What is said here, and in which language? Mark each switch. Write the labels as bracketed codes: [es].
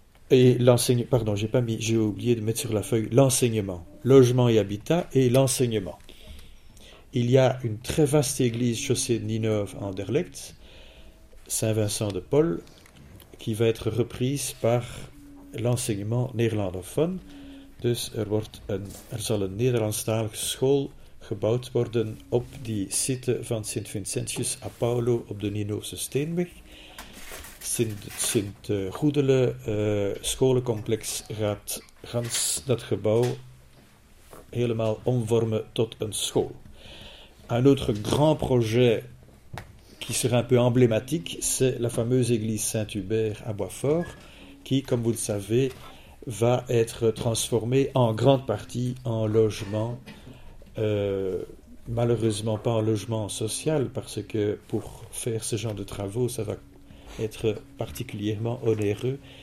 [fr] Et l'enseignement, pardon, j'ai oublié de mettre sur la feuille l'enseignement, logement et habitat et l'enseignement. Il y a une très vaste église chaussée de Ninove à Anderlecht, Saint-Vincent de Paul, qui va être reprise par l'enseignement néerlandophone. [nl] Dus zal een Nederlandstalige school gebouwd worden op die site van Sint Vincentius à Paolo op de Ninoofse Steenweg. Sint Goedele scholencomplex gaat gans dat gebouw helemaal omvormen tot een school. [fr] Un autre grand projet qui sera un peu emblématique, c'est la fameuse église Saint-Hubert à Boisfort, qui, comme vous le savez, va être transformée en grande partie en logement, malheureusement pas en logement social, parce que pour faire ce genre de travaux, ça va être particulièrement onéreux.